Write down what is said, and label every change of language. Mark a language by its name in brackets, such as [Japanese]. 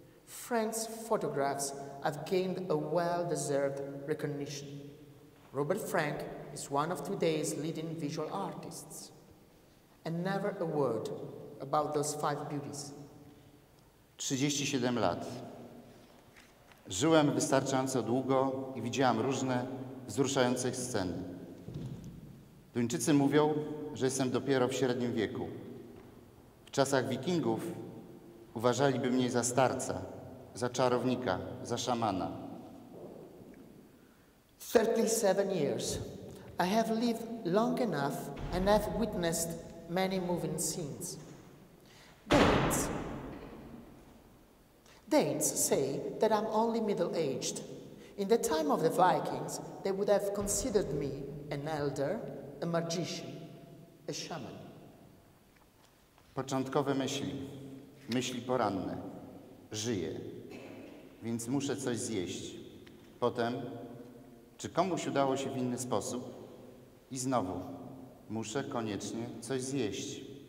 [English] Frank's photographs have gained a well-deserved recognition. Robert Frank is one of today's leading visual artists. And never a word about those five beauties. [Polish] 37 lat. Żyłem wystarczająco długo i widziałem różne wzruszające sceny. Duńczycy mówią, że jestem dopiero w średnim wieku. W czasach Wikingów uważaliby mnie za starca, za czarownika, za szamana. [English] 37 years. I have lived long enough and have witnessed many moving scenes. Danes say that I'm only middle-aged. In the time of the Vikings, they would have considered me an elder, a magician, a shaman. [Polish] Początkowe myśli, myśli poranne. Żyję, więc muszę coś zjeść. Potem, czy komuś udało się w inny sposób? I znowu, muszę koniecznie coś zjeść.